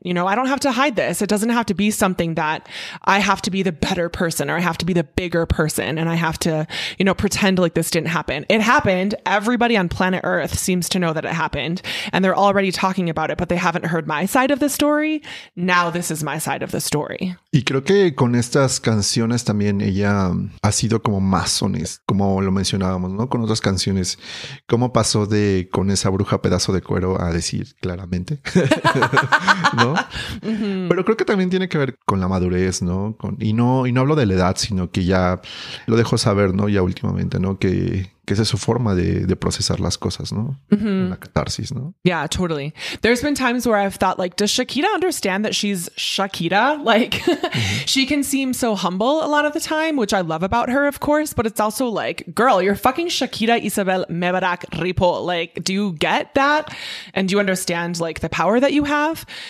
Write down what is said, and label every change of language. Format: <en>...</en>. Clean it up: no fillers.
<en>You know, I don't have to hide this. It doesn't have to be something that I have to be the better person, or I have to be the bigger person, and I have to, you know, pretend like this didn't happen. It happened. Everybody on planet Earth seems to know that it happened, and they're already talking about it, but they haven't heard my side of the story. Now this is my side of the story.</en> <es>Y creo que con estas canciones también ella ha sido como más honesta, como lo mencionábamos, ¿no? Con otras canciones, ¿cómo pasó de con esa bruja pedazo de cuero a decir claramente? ¿No? Mm-hmm. Pero creo que también tiene que ver con la madurez, ¿no? Y no hablo de la edad, sino que ya lo dejó saber, ¿no? Ya últimamente, ¿no? Que esa es su forma de procesar las cosas, ¿no? Mm-hmm. La catarsis, ¿no?</es> <en>Yeah, totally. There's been times where I've thought, like, does Shakira understand that she's Shakira? Like, she can seem so humble a lot of the time, which I love about her, of course, but it's also like, girl, you're fucking Shakira Isabel Mebarak Ripoll. Like, do you get that? And do you understand, like, the power that you have?</en>